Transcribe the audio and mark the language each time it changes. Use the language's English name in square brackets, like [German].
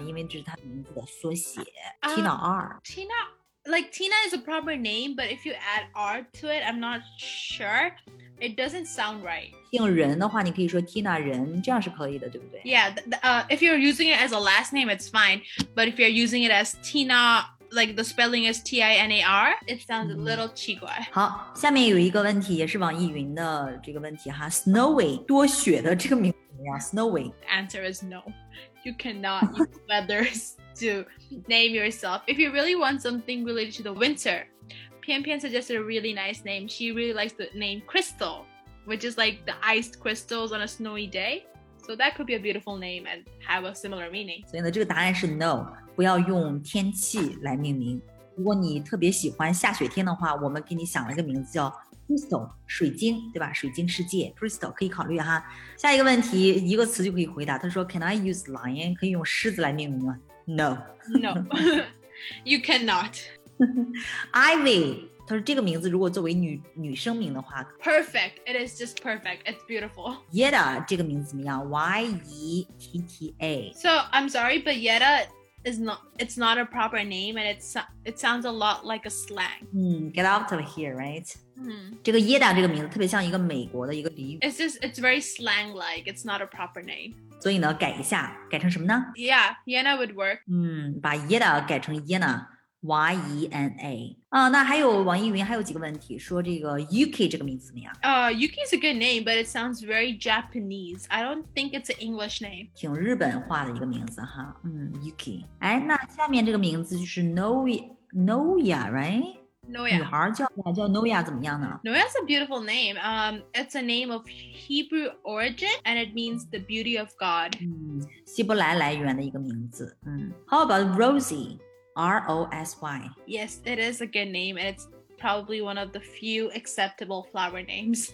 [Chinese] 因为这是他名字的缩写 ，Tina R. [English] Tina. Like, Tina is a proper name, but if you add R to it, I'm not sure. It doesn't sound right. [Chinese] 姓人的话，你可以说 Tina 人，这样是可以的，对不对？ [English] Yeah, if you're using it as a last name, it's fine. But if you're using it as Tina, like the spelling is T-I-N-A-R, it sounds a little [Chinese] 奇怪。好，下面有一个问题，也是网易云的这个问题哈。 Snowy, 多雪的这个名字怎么样 ？Snowy. [English] The answer is no. You cannot use weathers. to name yourself. If you really want something related to the winter, Pian Pian suggested a really nice name. She really likes the name Crystal, which is like the iced crystals on a snowy day. So that could be a beautiful name and have a similar meaning. [Chinese] 所以呢，这个答案是 no， 不要用天气来命名。如果你特别喜欢下雪天的话，我们给你想了一个名字叫 Crystal 水晶对吧，水晶世界 Crystal 可以考虑哈。下一个问题一个词就可以回答，他说 [English] Can I use lion [Chinese] 可以用狮子来命名吗？ [English] No No You cannot [Chinese] Ivy 他说这个名字如果作为 女生名的话 [English] Perfect It is just perfect It's beautiful [Chinese] Yetta 这个名字怎么样 Y-E-T-T-A [English] So I'm sorry but YettaIs not, it's not a proper name and it sounds a lot like a slang. Get out of here, right? [Chinese] 这个 Yetta 这个名字特别像一个美国的一个俚语。 [English] It's very slang-like. It's not a proper name. [Chinese] 所以呢改一下改成什么呢 [English] Yeah, Yenna would work. [Chinese] 把 Yetta 改成 Yenna, Y-E-N-A. 那还有网易云还有几个问题说这个 Yuki 这个名字怎么样 [English] Yuki is a good name, but it sounds very Japanese. I don't think it's an English name. [Chinese] 挺日本化的一个名字哈。Yuki. 那下面这个名字就是 Noya, right? [English] Noya. [Chinese] 女孩叫 Noya 怎么样呢 [English] Noya is a beautiful name. It's a name of Hebrew origin, and it means the beauty of God. [Chinese] 希伯来来源的一个名字。 [English] How about Rosie? R-O-S-Y. Yes, it is a good name, and it's probably one of the few acceptable flower names.